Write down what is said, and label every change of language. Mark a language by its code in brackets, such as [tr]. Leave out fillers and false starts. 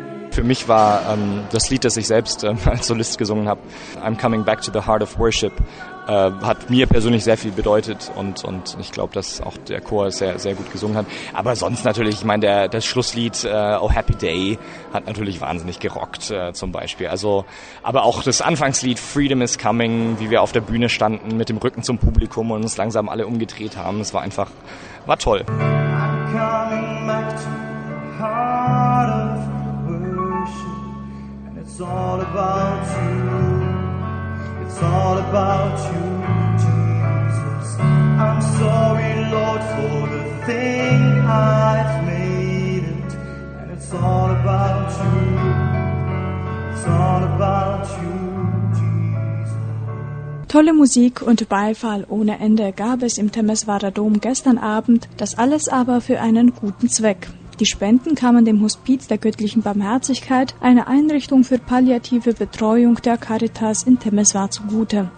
[de] Für mich war das Lied, das ich selbst als Solist gesungen habe, I'm Coming Back to the Heart of Worship, hat mir persönlich sehr viel bedeutet und ich glaube, dass auch der Chor sehr, sehr gut gesungen hat. Aber sonst natürlich, ich meine, das Schlusslied Oh Happy Day hat natürlich wahnsinnig gerockt zum Beispiel. Also, aber auch das Anfangslied Freedom is Coming, wie wir auf der Bühne standen mit dem Rücken zum Publikum und uns langsam alle umgedreht haben, es war toll. [en] I'm coming back to the heart of It's all about you, it's all about you, Jesus. I'm sorry, Lord, for the thing I've made it. And it's all about you, it's all about you. [de] Tolle Musik und Beifall ohne Ende gab es im Temeswarer Dom gestern Abend, das alles aber für einen guten Zweck. Die Spenden kamen dem Hospiz der Göttlichen Barmherzigkeit, einer Einrichtung für palliative Betreuung der Caritas in Temeswar, zugute.